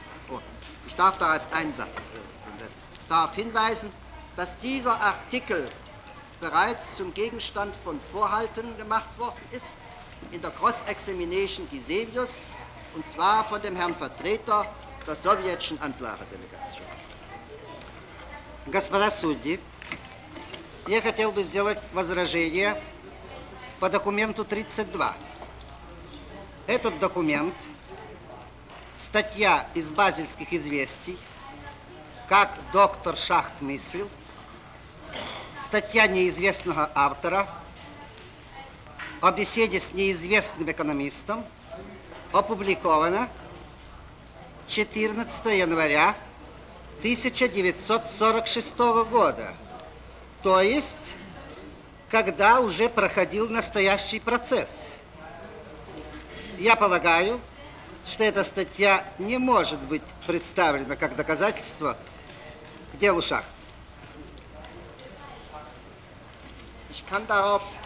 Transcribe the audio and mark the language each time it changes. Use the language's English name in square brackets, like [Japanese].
[German] Oh, ich darf darauf einen Satz darauf hinweisen, dass dieser Artikel bereits zum Gegenstand von Vorhalten gemacht worden ist in der Cross-Examination Gisevius, und zwar von dem Herrn Vertreter der sowjetischen Anklagedelegation. [Russian] Господа судьи, я хотел бы сделать возражение по документу 32. Этот документ, статья из базельских известий, как доктор Шахт мыслил, статья неизвестного автора о беседе с неизвестным экономистом, опубликована 14 января 1946 года, то есть к когда уже проходил настоящий процесс. Я полагаю, что эта статья не может быть представлена как доказательство к делу Шахт. [German] Ich kann darauf